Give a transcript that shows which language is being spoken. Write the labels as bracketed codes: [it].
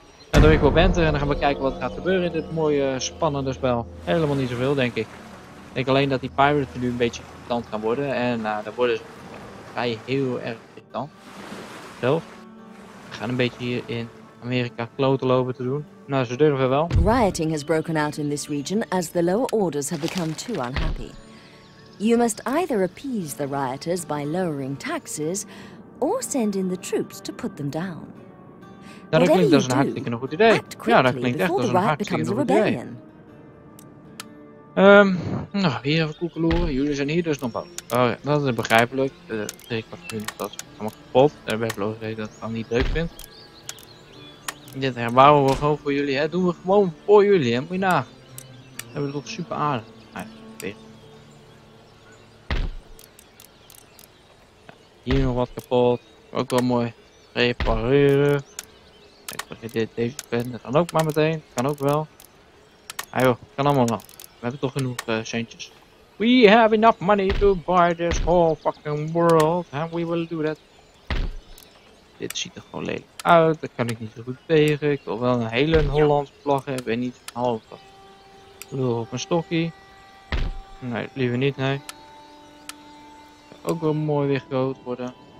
[nl] En dan ben ik op enter en dan gaan we kijken wat er gaat gebeuren in dit mooie spannende spel. Helemaal niet zoveel denk ik. Ik denk alleen dat die pirates nu een beetje irritant gaan worden en daar worden ze vrij heel erg irritant. Zelf. We gaan een beetje hier in Amerika kloten lopen te doen. Nou, ze durven wel. [en] Rioting has broken out in this region as the lower orders have become too unhappy. You must either appease the rioters by lowering taxes or send in the troops to put them down. [nl] Ja, dat klinkt als een hartstikke goed idee. Ja, dat klinkt echt als een hartstikke goed idee. Nou, hier even koekeloeren. Jullie zijn hier dus nog wel. Oh ja, dat is begrijpelijk. Ik was nu dat allemaal kapot. Daar ben ik geloof dat ik dat dan niet leuk vind. Dit herbouwen we gewoon voor jullie, hè. Doen we gewoon voor jullie, hè. Moet je na. We hebben het toch super aardig. Ja, hier nog wat kapot. Ook wel mooi. Repareren. Kijk, als je deze bent, dat kan ook maar meteen. Kan ook wel. Ah joh, kan allemaal wel. We hebben toch genoeg centjes. [en] We have enough money to buy this whole fucking world. And we will do that. [nl] Dit ziet er gewoon lelijk uit. Dat kan ik niet zo goed tegen. Ik wil wel een hele Hollandse vlag hebben. En niet een halve. Lul op een stokkie. Nee, liever niet, nee. Ook wel mooi weer groot worden.